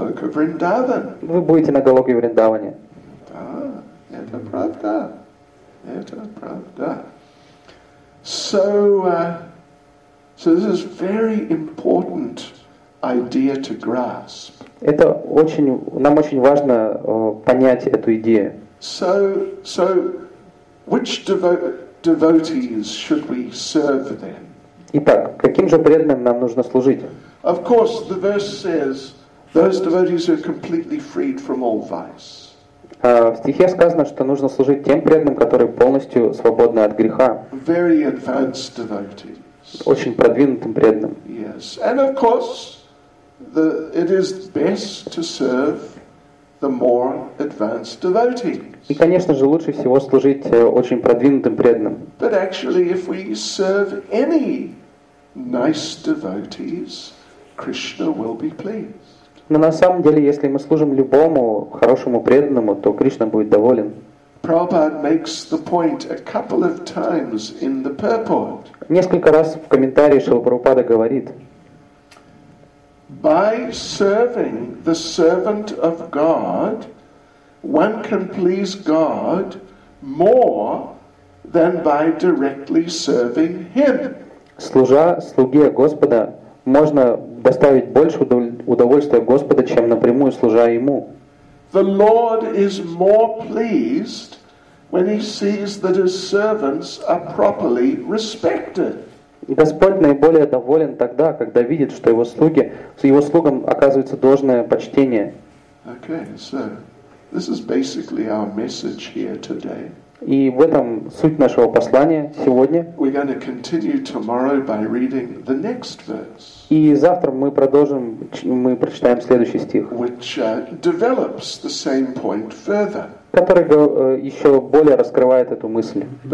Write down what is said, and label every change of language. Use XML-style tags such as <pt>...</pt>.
<ru>Вы будете на Голоке Вриндаване. Да, это правда. Это правда.</ru> <en>So this is very important idea to grasp.</en> <ru>Это очень, нам очень важно понять эту идею.</ru> <en>So which devotees should we serve then?</en> <ru>Итак, каким же преданным нам нужно служить?</ru> <en>Of course, the verse says those devotees are completely freed from all vice.</en> <ru>В стихе сказано, что нужно служить тем преданным, которые полностью свободны от греха.</ru> <en>Very advanced devotees.</en> <ru>Очень продвинутым преданным.</ru> <en>Yes, and of course, it is best to serve the more advanced devotees.</en> <ru>И, конечно же, лучше всего служить очень продвинутым преданным.</ru> <en>But actually, if we serve any nice devotees, Krishna will be pleased.</en> <ru>Но на самом деле, если мы служим любому хорошему преданному, то Кришна будет доволен.</ru> <en>Prabhupada makes the point a couple of times in the purport.</en> <ru>Несколько раз в комментарии Шрила Прабхупада говорит.</ru> <en>By serving the servant of God, one can please God more than by directly serving Him.</en> <ru>Служа слуге Господа, можно доставить больше удовольствия Господа, чем напрямую служа Ему.</ru> <en>The Lord is more pleased when he sees that his servants are properly respected.</en> <ru>Господь наиболее доволен тогда, когда видит, что его слуги, его слугам оказывается должное почтение.</ru> <en>Okay, so this is basically our message here today.</en> <ru>И в этом суть нашего послания сегодня.</ru> <en>We're going to continue tomorrow by reading the next verse.</en> <ru>И завтра мы продолжим, мы прочитаем следующий стих.</ru> <en>Which develops the same point further.</en> <ru>Который еще более раскрывает эту мысль.</ru>